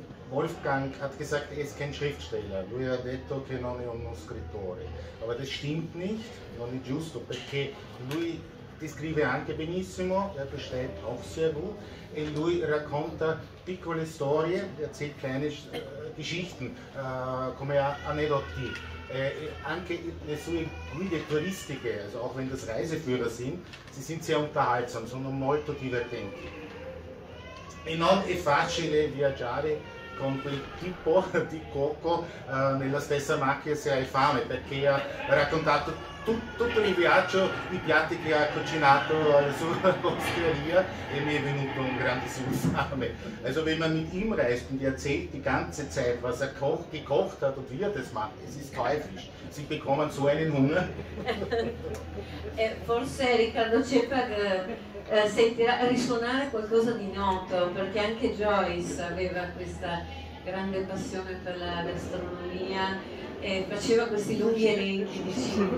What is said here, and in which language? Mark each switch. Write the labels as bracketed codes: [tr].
[de] Wolfgang hat gesagt, er ist kein Schriftsteller. [it] Lui ha detto che non è uno scrittore. Ma [de] das stimmt nicht, [it] non è giusto, perché lui descrive anche benissimo, [de] er versteht auch sehr gut, [it] e lui racconta piccole storie, [de] erzählt kleine Geschichten, [it] come aneddoti. Anche le sue guide turistiche, [de] also auch wenn das Reiseführer sind, sie sind sehr unterhaltsam, [it] sono molto divertenti. E non è facile viaggiare con quel tipo di cuoco nella stessa macchina se hai fame, perché ha raccontato tutto il viaggio, i piatti che ha cucinato sulla osteria, e mi è venuto un grandissimo fame. [de] Also wenn man mit ihm reist und erzählt die ganze Zeit, was er gekocht hat und wie er das macht, es ist teuflisch. Sie bekommen so einen Hunger. [it] Forse Riccardo Cepag sentirà risuonare qualcosa di noto, perché anche Joyce aveva questa grande passione per la gastronomia. E faceva questi lunghi elenchi di cibo.